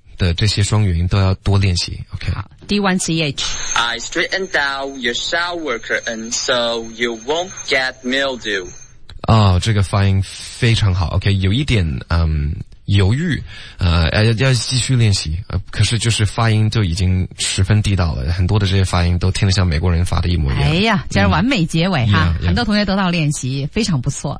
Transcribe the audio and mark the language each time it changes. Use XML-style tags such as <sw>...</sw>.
<zh>的这些双元音都要多练习 ，OK。好 ，D1CH。</zh> <en>I straightened out your shower curtain so you won't get mildew。</en> <zh>哦，这个发音非常好 ，OK。有一点犹豫，要继续练习，可是就是发音就已经十分地道了，很多的这些发音都听得像美国人发的一模一样。哎呀，竟然完美结尾哈！很多同学得到练习，非常不错。</zh>